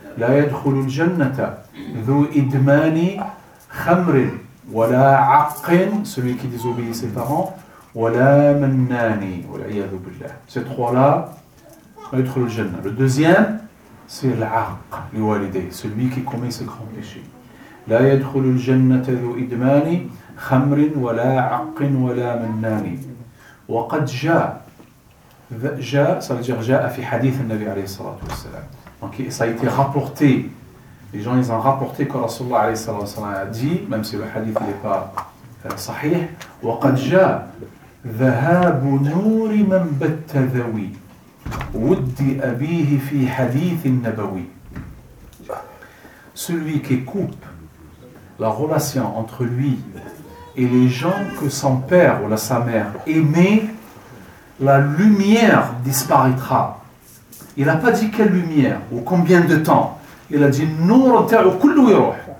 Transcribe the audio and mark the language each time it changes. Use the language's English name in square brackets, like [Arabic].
[Arabic] La yadkhulu al-jannata dhu idmani khamrin wala aqin, [French] celui qui désobéit ses parents, [Arabic] wala mannani, wal'iyadu billah. [French] Ces trois-là, [Arabic] la yadkhulu al-jannata. [French] Le deuxième, c'est l'aq, le walidé, celui qui commet ses grands péchés. [Arabic] La yadkhulu al-jannata dhu idmani خمر ولا عق ولا منان وقد جاء جاء صدق جاء في حديث النبي عليه الصلاة والسلام. [French] Donc ça a été rapporté, les gens ils ont rapporté que Rasulullah عليه الصلاة والسلام a dit, même si le hadith n'est pas صحيح. [Arabic] وقد جاء ذهاب نور من بت ذوي ودي أبيه في حديث النبوي. [French] Celui qui coupe la relation entre lui et les gens que son père ou sa mère aimait, la lumière disparaîtra. Il n'a pas dit quelle lumière ou combien de temps. Il a dit [Arabic] Nour ta'u kullu yiruh.